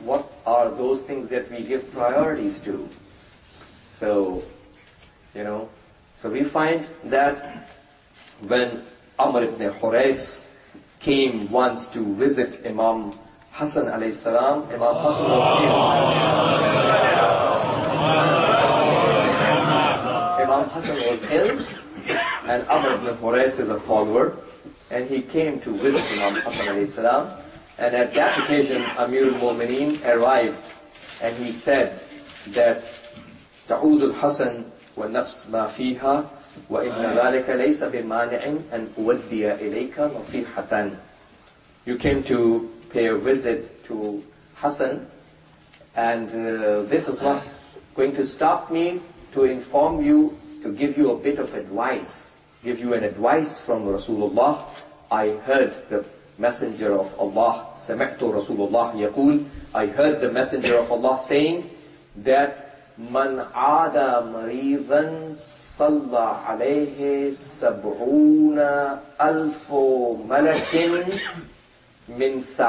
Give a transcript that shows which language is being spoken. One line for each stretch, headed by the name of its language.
English: What are those things that we give priorities to? So, you know, so we find that when Amr ibn Hurais came once to visit Imam Hassan alayhi salam, Imam Hassan was ill. Imam Hassan was ill, and Amr ibn Hurais is a follower. And he came to visit Imam Hassan alayhi salam. And at that occasion, Amir al-Mu'mineen arrived.
Arabic: And he said that, تَعُودُ الْحَسَنْ وَالنَّفْسْ مَا فِيهَا وَإِنَّ ذَلَكَ لَيْسَ بِمَانِعٍ أَنْ أُوَدِّيَ إِلَيْكَ نَصِيحَةً.
English: You came to pay a visit to Hassan. And this is not going to stop me to inform you, to give you a bit of advice, give you an advice from Rasulullah. I heard the Messenger of Allah,
Arabic: سَمَعْتُ رَسُولُ اللَّهِ يَقُولُ,
English: I heard the Messenger of Allah saying that
Arabic: مَنْ عَادَ مَرِيضًا صَلَّى عَلَيْهِ سَبْعُونَ أَلْفُ مَلَكٍ مِنْ